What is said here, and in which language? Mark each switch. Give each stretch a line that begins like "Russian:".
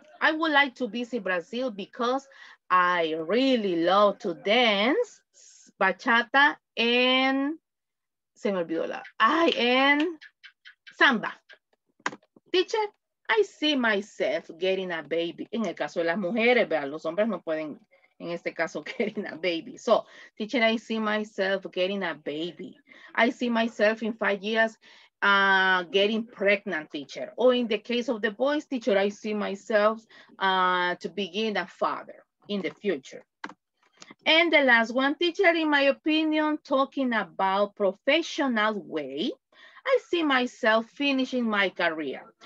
English: I would like to visit Brazil because I really love to dance bachata and,
Spanish: se me olvidó la,
English: I am samba. Teacher, I see myself getting a baby.
Spanish: En el caso de las mujeres, ¿verdad? Los hombres no pueden, en este caso,
English: getting a baby. So, teacher, I see myself getting a baby. I see myself in 5 years getting pregnant, teacher. Or in the case of the boys, teacher, I see myself to begin a father in the future. And the last one, teacher, in my opinion, talking about professional way, I see myself finishing my career.